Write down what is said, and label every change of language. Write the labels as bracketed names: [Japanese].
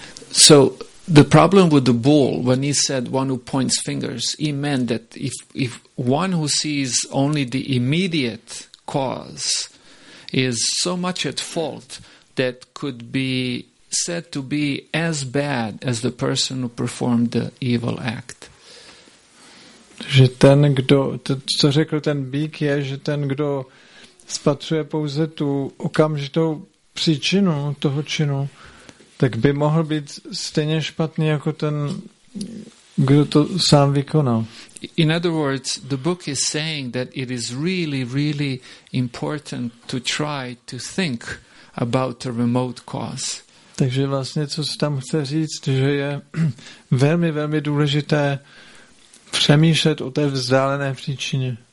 [English] So the problem with the bull, when he said one who points fingers, he meant that if one who sees only the immediate cause is so much at fault that could be said to be as bad as the person who performed the evil act. [Czech] Že ten, kdo, to, co řekl ten bík, je, že ten, kdo spatřuje pouze tu okamžitou příčinu toho činu, tak by mohl být stejně špatný jako ten, kdo to sám vykonal. [English] In other words, the book is saying that it is really, really important to try to think about a remote cause. [Czech] Takže vlastně, co se tam chce říct, že je velmi, velmi důležité přemýšlet o té vzdálené příčině.